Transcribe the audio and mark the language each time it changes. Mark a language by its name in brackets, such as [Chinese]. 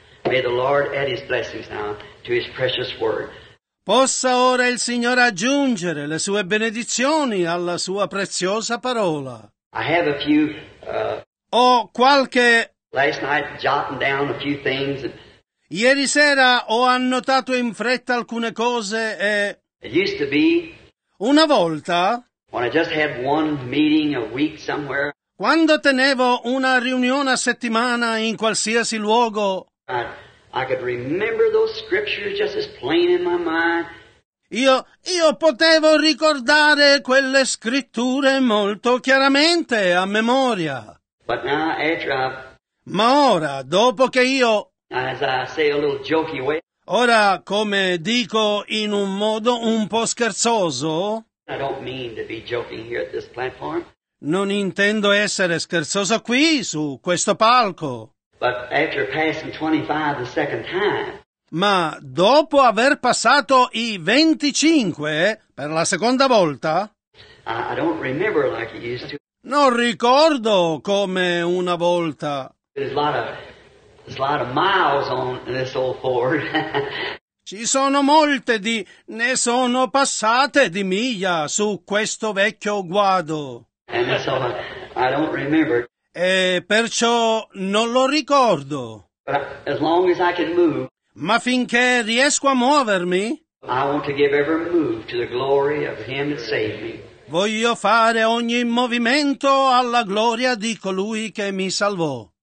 [English] May the Lord add his blessings now to his precious word. [Italian] Possa ora il Signore aggiungere le sue benedizioni alla sua preziosa parola. [English] I have a few, [Italian] ho qualche... [English] Last night, jotting down a few things. [Italian] Ieri sera ho annotato in fretta alcune cose e... [English] It used to be... [Italian] Una volta... [English] When I just had one meeting a week somewhere... [Italian] Quando tenevo una riunione a settimana in qualsiasi luogo... [English] I could remember those scriptures just as plain in my mind. [Italian] Io potevo ricordare quelle scritture molto chiaramente a memoria. [English] But now, after I've, [Italian] ma ora, dopo che io, [English] as I say a little jokey way, [Italian] ora come dico in un modo un po' scherzoso, [English] I don't mean to be joking here at this platform. [Italian] Non intendo essere scherzoso qui su questo palco. [English] But after passing 25 the second time, [Italian] ma dopo aver passato i 25 per la seconda volta, [English] I don't remember like it used to. [Italian] Non ricordo come una volta. [English] There's a lot of miles on this old Ford. [Italian] Ci sono molte di ne sono passate di miglia su questo vecchio guado. [English] And so I don't remember. [Italian] E perciò non lo ricordo. [English] As long as I can move, [Italian] ma finché riesco a muovermi, [English] I want to give every move to the glory of him that saved me. [Italian] Voglio fare ogni movimento alla gloria di colui che mi salvò.